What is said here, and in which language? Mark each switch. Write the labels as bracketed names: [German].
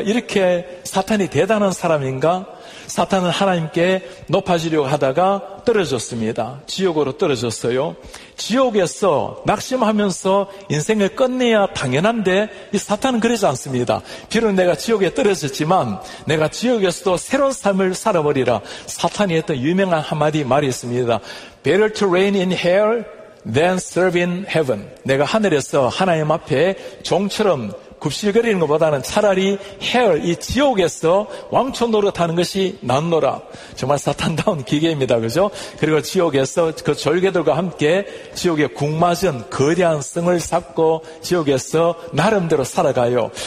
[Korean] 이렇게 사탄이 대단한 사람인가? 사탄은 하나님께 높아지려고 하다가 떨어졌습니다. 지옥으로 떨어졌어요. 지옥에서 낙심하면서 인생을 끝내야 당연한데 이 사탄은 그러지 않습니다. 비록 내가 지옥에 떨어졌지만 내가 지옥에서도 새로운 삶을 살아버리라. 사탄이 했던 유명한 한마디 말이 있습니다. [English] Better to reign in hell than serve in heaven. [Korean] 내가 하늘에서 하나님 앞에 종처럼 굽실거리는 것보다는 차라리 헬, 이 지옥에서 왕초 노릇하는 것이 낫노라. 정말 사탄다운 기계입니다. 그죠? 그리고 지옥에서 그 졸개들과 함께 지옥에 궁맞은 거대한 성을 쌓고 지옥에서 나름대로 살아가요.